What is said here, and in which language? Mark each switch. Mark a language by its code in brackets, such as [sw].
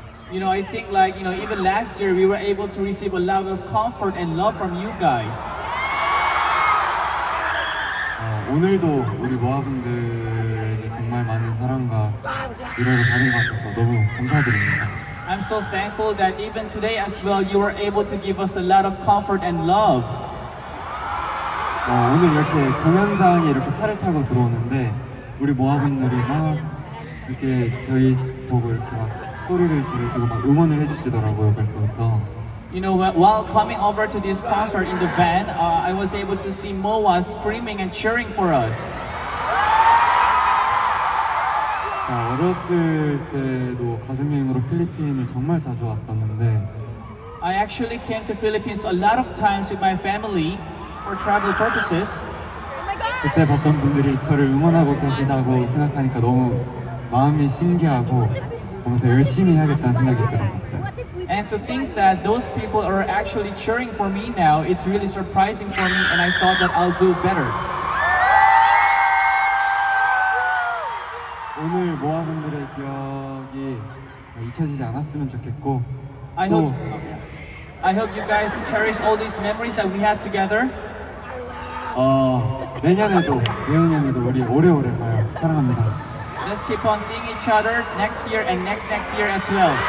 [en] You know, I think like, you know, even last year we were able to receive a lot of comfort and love from you guys. [ko] 오늘도 우리 모아분들에게 정말 많은 사랑과 위로를 받은 것 같아서 너무 감사드립니다. [en] I'm so thankful that even today as well you were able to give us a lot of comfort and love. [ko] 오늘 이렇게 공연장에 이렇게 차를 타고 들어오는데 우리 모아분들이 막 이렇게 저희 보고 이렇게 막 소리를 지르시고 막 응원을 해주시더라고요, 벌써부터. [en] You know, while coming over to this concert in the van, I was able to see Moa screaming and cheering for us. [ko] 자, 어렸을 때도 가슴 여행으로 필리핀을 정말 자주 왔었는데 [en] I actually came to Philippines a lot of times with my family for travel purposes. Oh my God! [ko] 그때 봤던 분들이 저를 응원하고 계시다고 생각하니까 너무 마음이 신기하고 보면서 열심히 해야겠다는 생각이 들었어요. [en] And to think that those people are actually cheering for me now, it's really surprising for me, and I thought that I'll do better. [ko] 오늘 모아분들의 기억이 잊혀지지 않았으면 좋겠고. [en] I hope you guys cherish all these memories that we had together. [ko] 내년에도 내후년에도 우리 오래오래 봐요. 사랑합니다. [en] Let's keep on seeing each other next year and next year as well.